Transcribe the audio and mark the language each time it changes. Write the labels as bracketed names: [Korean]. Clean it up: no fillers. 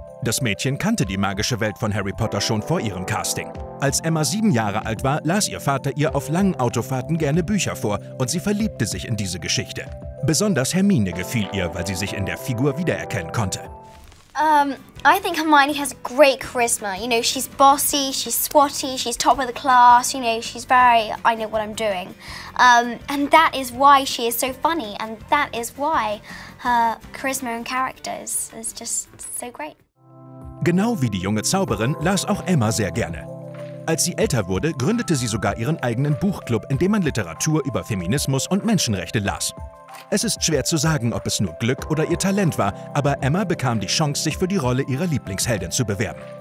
[German] Das Mädchen kannte die magische Welt von Harry Potter schon vor ihrem Casting. Als Emma 7 Jahre alt war, las ihr Vater ihr auf langen Autofahrten gerne Bücher vor und sie verliebte sich in diese Geschichte. Besonders Hermine gefiel ihr, weil sie sich in der Figur wiedererkennen konnte. [English] I think Hermione has great charisma. You know, she's bossy, she's swotty, she's top of the class. You know, she's very, I know what I'm doing. And that is why she is so funny. And that is why her charisma and character is just so great. [German] Genau wie die junge Zauberin las auch Emma sehr gerne. Als sie älter wurde, gründete sie sogar ihren eigenen Buchclub, in dem man Literatur über Feminismus und Menschenrechte las. Es ist schwer zu sagen, ob es nur Glück oder ihr Talent war, aber Emma bekam die Chance, sich für die Rolle ihrer Lieblingsheldin zu bewerben.